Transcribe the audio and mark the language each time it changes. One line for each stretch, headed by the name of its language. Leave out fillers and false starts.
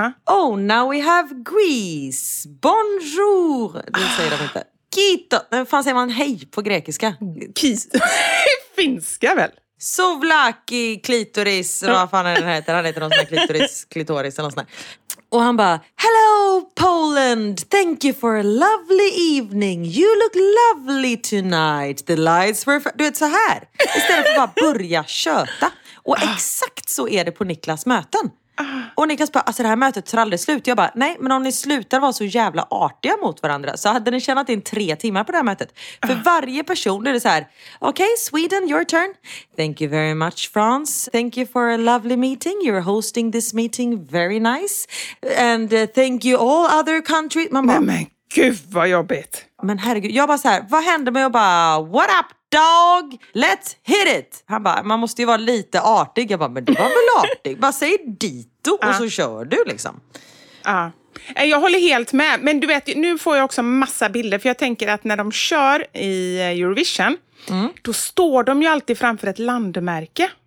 English: Oh, now we have Greece. Bonjour.
Swedish: Det säger de inte.
English: Kito.
Swedish: Men fan säger man hej på grekiska? Kito. Finska väl? Sovlaki, klitoris. Vad fan är den heter? Han heter någon sån här klitoris, klitoris eller någon sån här. Och han bara,
English: hello Poland, thank you for a lovely evening. You look lovely tonight. The lights were...
Swedish: Du vet, så här. Istället för att bara börja köta. Och exakt så är det på Niklas möten. Och Niklas bara, alltså det här mötet tar aldrig slut. Jag bara, nej, men om ni slutar vara så jävla artiga mot varandra så hade ni tjänat in 3 timmar på det här mötet. För varje person är det så här, okej,
English: okay, Sweden, your turn. Thank you very much, France. Thank you for a lovely meeting. You're hosting this meeting very nice. And thank you all other countries.
Swedish: Man bara, nej, men gud vad jobbigt. Men herregud, jag bara så här, vad händer med jag bara,
English: what up? Dog, let's hit it.
Swedish: Han bara, man måste ju vara lite artig. Jag bara, men du var väl artig. Bara säg dito och så kör du liksom. Ja, jag håller helt med. Men du vet, nu får jag också massa bilder. För jag tänker att när de kör i Eurovision, då står de ju alltid framför ett landmärke.